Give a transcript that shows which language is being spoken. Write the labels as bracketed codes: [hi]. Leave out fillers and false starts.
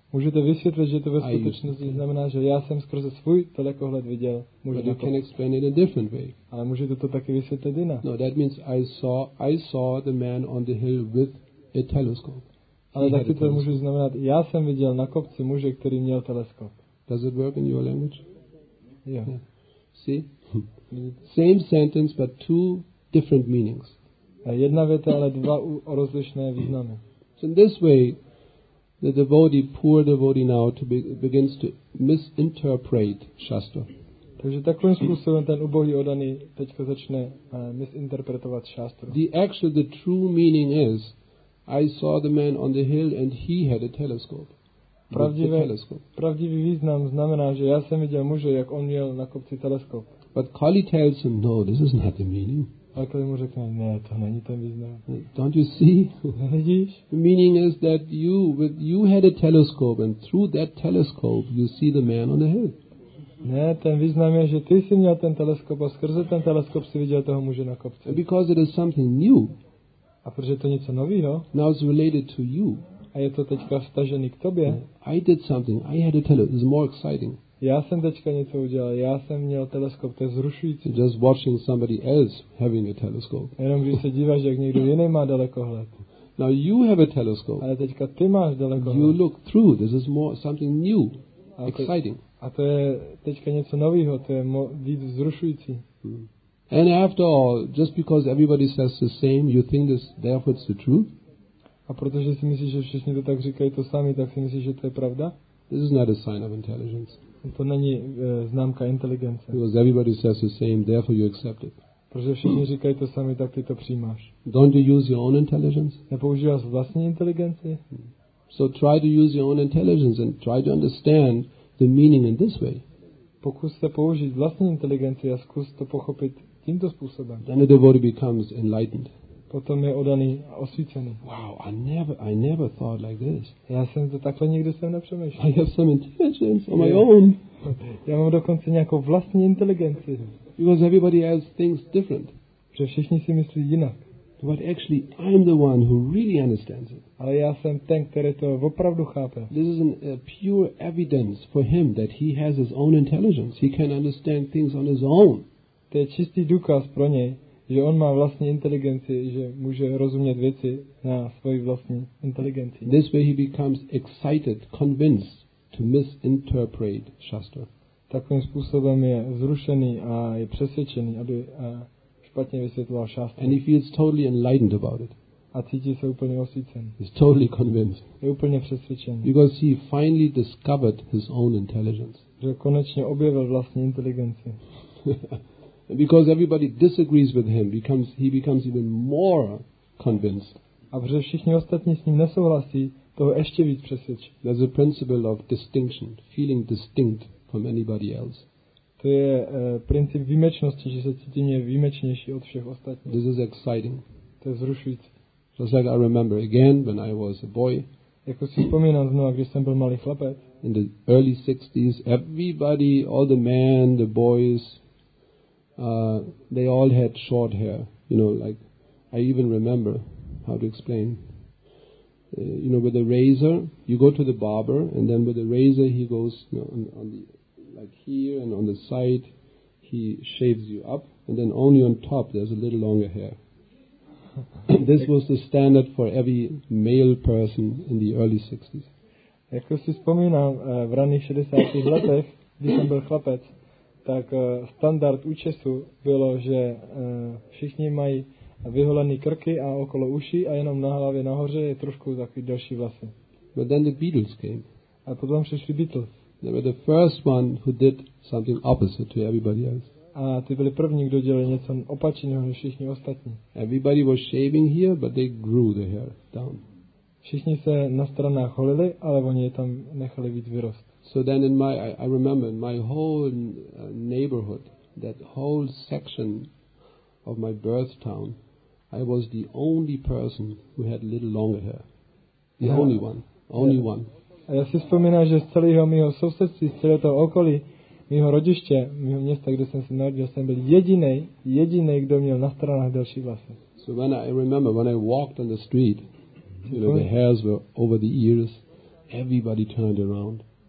[cs] Můžete vysvětlit, že to ve skutečnosti znamená, že já jsem skrze svůj dalekohled viděl muže na kopci. [en] But you can explain it a different way. [cs] Ale můžete to taky vysvětlit jinak. [en] No, that means I saw the man on the hill with a telescope. [cs] Ale taky to může znamenat, já jsem viděl na kopci muže, který měl teleskop. [en] Does it work in your language? Yeah. See? Same sentence, but two different meanings. [cs] Jedna věta, ale dva rozlišné významy. [en] So in this way, the devotee, poor devotee now, begins to misinterpret Shastra. [cs] Takže takovým způsobem ten ubohý odaný teďka začne misinterpretovat Shastra. [en] The true meaning is, I saw the man on the hill and he had a telescope. [cs] Pravdivý význam znamená, že já jsem viděl muže, jak on měl na kopci teleskop. [en] But Kali tells him, no, this is not the meaning. [cs] A Kali mu řekne, ne, to není ten význam. [en] Don't you see? [cs] Vidíš? [en] The meaning is that you had a telescope and through that telescope you see the man on the hill. [cs] Ne, ten význam je, že ty jsi měl ten teleskop a skrze ten teleskop si viděl toho muže na kopci. [en] And because it is something new. [cs] A protože je to něco novýho. [en] Now it's related to you. [cs] A je to teďka vztažený k tobě. [en] I did something. I had a telescope. It's more exciting. [cs] Já jsem teďka něco udělal. Já jsem měl teleskop. To je zrušující. [en] Just watching somebody else having a telescope. [cs] Jenom když se díváš, jak někdo jiný má dalekohled. [en] Now you have a telescope. [cs] Ale teďka ty máš dalekohled. [en] You look through. This is more something new. Exciting. [cs] A to je teďka něco novýho. To je víc zrušující. [en] And after all, just because everybody says the same, you think this, therefore it's the truth? [cs] A protože si myslíš, že všichni to tak říkají to sami, tak si myslíš, že to je pravda? [en] This is not a sign of intelligence. [cs] To není známka inteligence. [en] Because everybody says the same, therefore you accept it. [cs] Protože všichni říkají to sami, tak ty to přijímáš. [en] Don't you use your own intelligence? [cs] Nepoužíváš vlastní inteligenci? [en] So try to use your own intelligence and try to understand the meaning in this way. [cs] Pokus se použít vlastní inteligenci a zkus to pochopit tímto způsobem. [en] Then the devotee becomes enlightened. [cs] Potom je odaný a osvícený. [en] Wow, I never thought like this. [cs] Já jsem to takhle nikdy jsem nepřemýšlel. [en] I have some intelligence on my own. [cs] Já mám dokonce nějakou vlastní inteligenci. [en] Because everybody else thinks different. [cs] Že všichni si myslí jinak. [en] But actually, I'm the one who really understands it. [cs] Ale já jsem ten, který to opravdu chápe. [en] This is a pure evidence for him that he has his own intelligence. He can understand things on his own. [cs] To je čistý důkaz pro něj, že on má vlastní inteligenci, že může rozumět věci na svoji vlastní inteligenci. [en] This way he becomes excited, convinced to misinterpret Shastra. [cs] Takovým způsobem je zrušený a je přesvědčený, aby špatně vysvětloval Shastra. [en] And he feels totally enlightened about it. [cs] A cítí se úplně osvícen. [en] He's totally convinced. [cs] Je úplně přesvědčený. [en] Because he finally discovered his own intelligence. [cs] Že konečně objevil vlastní inteligenci. [en] Because everybody disagrees with him, he becomes even more convinced. [cs] A protože všichni ostatní s ním nesouhlasí, toho ještě víc přesvědčí. [en] There's a principle of distinction, feeling distinct from anybody else. [cs] To je princip výjimečnosti, že se cítím výjimečnější od všech ostatních. [en] This is exciting. [cs] To je vzrušující. [en] Just like I remember again when I was a boy. [cs] Jako si vzpomínám znovu, když jsem byl malý chlapec. [en] In the early 60s, everybody, all the men, the boys, they all had short hair, you know, like, I even remember how to explain, you know, with a razor, you go to the barber, and then with a razor, he goes, you know, on the, like here, and on the side, he shaves you up, and then only on top, there's a little longer hair. This was the standard for every male person in the early 60s. [cs] Jako si vzpomínám, v raných 60. letech, když jsem byl chlapec, tak standard účesu bylo, že všichni mají vyholené krky a okolo uší a jenom na hlavě nahoře je trošku takový delší vlasy. [en] But then the Beatles came. [cs] A potom přišli Beatles. [en] They were the first one who did something opposite to everybody else. [cs] a ty byli první, kdo dělali něco opačného než všichni ostatní. [en] Everybody was shaving here, but they grew the hair down. [cs] Všichni se na stranách holili, ale oni je tam nechali víc vyrost. [en] So then in my, I remember in my whole neighborhood, that whole section of my birth town, I was the only person who had little longer hair. The only one. Only one. [cs] A já si vzpomínám, že z celého mého sousedství, z celého toho okolí, mého rodiště, mého města, kde jsem se narodil, jsem byl jediný, kdo měl na stranách delší vlasy. [en] So when I remember, when I walked on the street, you know, the hairs were over the ears, everybody turned around.